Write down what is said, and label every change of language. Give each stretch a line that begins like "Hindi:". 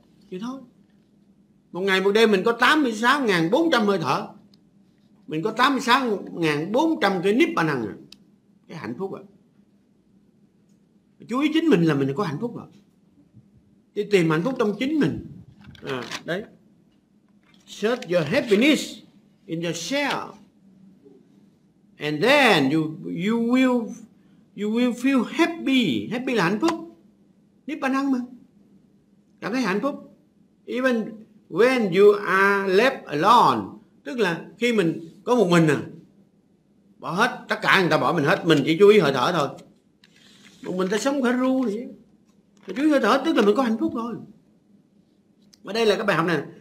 Vietnamese: Chứ thôi, một ngày một đêm mình có 86.400 hơi thở, mình có 86.400 cái Niết Bàn Ang, cái hạnh phúc đó. Chú ý chính mình là mình có hạnh phúc rồi. Đi tìm hạnh phúc trong chính mình. À, đấy.
English: Search your happiness in yourself, and then you will feel happy.
Vietnamese: Happy là hạnh phúc, Niết Bàn Ang mà, cảm thấy hạnh phúc.
English: Even when you are left alone,
Vietnamese: tức là khi mình có một mình, bỏ hết tất cả, người ta bỏ mình hết, mình chỉ chú ý hơi thở thôi. Một mình ta sống khá ru vậy, chú ý hơi thở tức là mình có hạnh phúc rồi. Và đây là cái bài học này.